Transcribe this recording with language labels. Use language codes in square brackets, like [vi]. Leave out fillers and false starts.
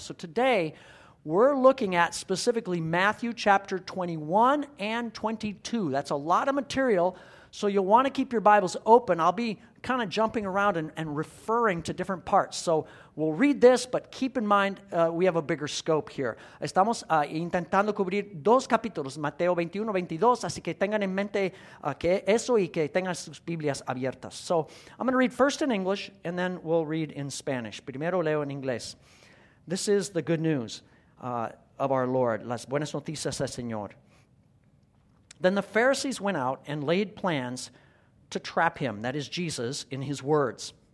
[en] So today, we're looking at specifically Matthew chapter 21 and 22. That's a lot of material, so you'll want to keep your Bibles open. I'll be kind of jumping around and referring to different parts. So we'll read this, but keep in mind we have a bigger scope here. [es] Estamos intentando cubrir dos capítulos, Mateo 21, 22, así que tengan en mente que eso y que tengan sus Biblias abiertas. [en] So I'm going to read first in English, and then we'll read in Spanish. [es] Primero leo en inglés. [en] This is the good news of our Lord. [es] Las buenas noticias del Señor. [en] Then the Pharisees went out and laid plans to trap him, that is Jesus, in his words.